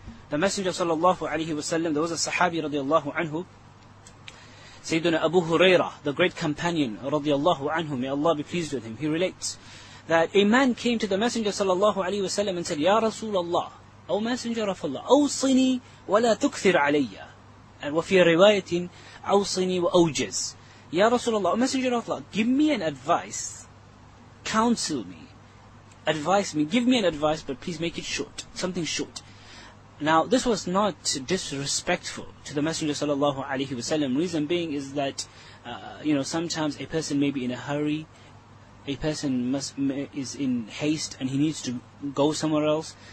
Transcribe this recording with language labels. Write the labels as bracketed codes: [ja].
[en] The Messenger sallallahu alayhi wa sallam, there was a Sahabi radiallahu anhu, Sayyiduna Abu Huraira, the great companion radiallahu anhu, may Allah be pleased with him. He relates that a man came to the Messenger sallallahu alayhi wa sallam and said, Ya Rasulallah, O Messenger of Allah, [ar] أوصني ولا تكثر علي. [en] And [ar] وفي رواية أوصني وأوجز. [en] Ya Rasulallah, O Messenger of Allah, give me an advice, counsel me, advise me, give me an advice, but please make it short, something short. Now, this was not disrespectful to the Messenger sallallahu alayhi wa sallam. Reason being is that, sometimes a person may be in a hurry, a person is in haste and he needs to go somewhere else.